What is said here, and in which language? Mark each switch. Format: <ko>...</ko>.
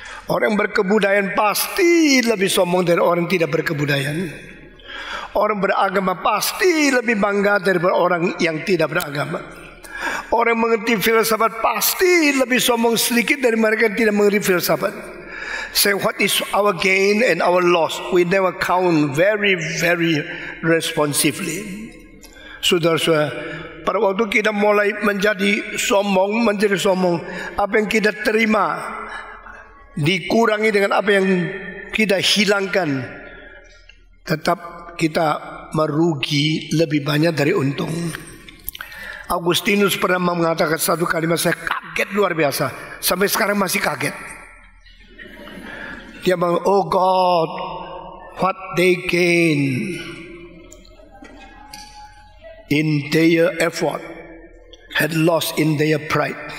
<id>Orang berkebudayaan pasti lebih sombong dari orang tidak berkebudayaan. Orang beragama pasti lebih bangga daripada orang yang tidak beragama. Orang mengerti filsafat pasti lebih sombong sedikit dari mereka yang tidak mengerti filsafat.</id> <en>Say, what is our gain and our loss? We never count very, very responsively.</en> <id>Saudara-saudara, pada waktu kita mulai menjadi sombong, apa yang kita terima dikurangi dengan apa yang kita hilangkan, tetap kita merugi lebih banyak dari untung. Augustinus pernah mengatakan satu kalimat, saya kaget luar biasa. Sampai sekarang masih kaget. Dia bilang,</id> <en>oh God, what they gain in their effort had lost in their pride.</en>